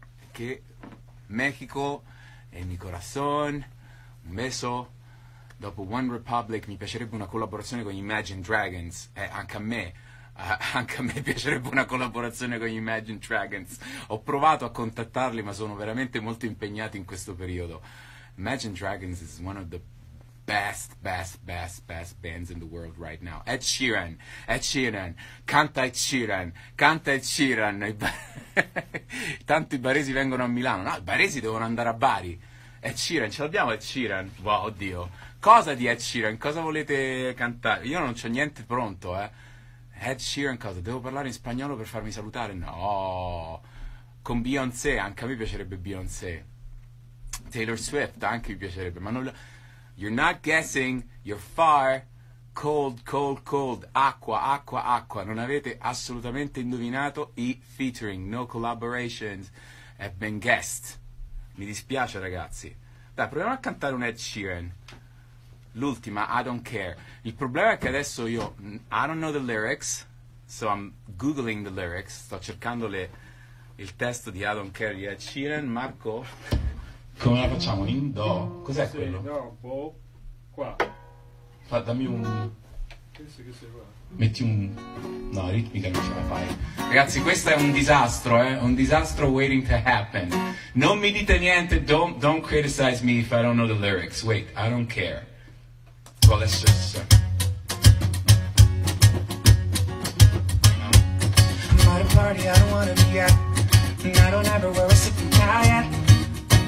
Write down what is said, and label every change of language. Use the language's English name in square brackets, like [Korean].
[Italian] Che Mexico è [Spanish] mi corazon, un beso. [Italian] Dopo One Republic mi piacerebbe una collaborazione con Imagine Dragons, anche a me piacerebbe una collaborazione con Imagine Dragons. Ho provato a contattarli ma sono veramente molto impegnati in questo periodo. [English] Imagine Dragons is one of the best bands in the world right now. [Italian] Ed Sheeran, canta Ed Sheeran. Tanto i baresi vengono a Milano, no, i baresi devono andare a Bari. Ed Sheeran, ce l'abbiamo Ed Sheeran? Wow, oddio. Cosa di Ed Sheeran? Cosa volete cantare? Io non c'ho niente pronto, eh. Ed Sheeran cosa? Devo parlare in spagnolo per farmi salutare? No. Con Beyoncé, anche a me piacerebbe Beyoncé. Taylor Swift, anche mi piacerebbe. Ma non... [English] You're not guessing, you're far. Cold. [Italian] Acqua. Non avete assolutamente indovinato i featuring. [English] No collaborations. Have been guessed. [Italian] Mi dispiace, ragazzi. Dai, proviamo a cantare un Ed Sheeran. L'ultima, I don't care. Il problema è che adesso io, [English] I don't know the lyrics, [Italian] so I'm googling the lyrics, sto cercando il testo di I don't care di Ed Sheeran. Marco, come la facciamo? In do? Cos'è sì, quello? No, un po' qua. Fa, dammi un... Che sei qua? Metti un... No, ritmica non ce la fai. Ragazzi, questo è un disastro, un disastro [English] waiting to happen. [Italian] Non mi dite niente, [English] don't criticize me if I don't know the lyrics. Wait, I don't care. Well, let's just start. I'm at a party I don't wanna be at, and I don't ever wear a sippin' tie at.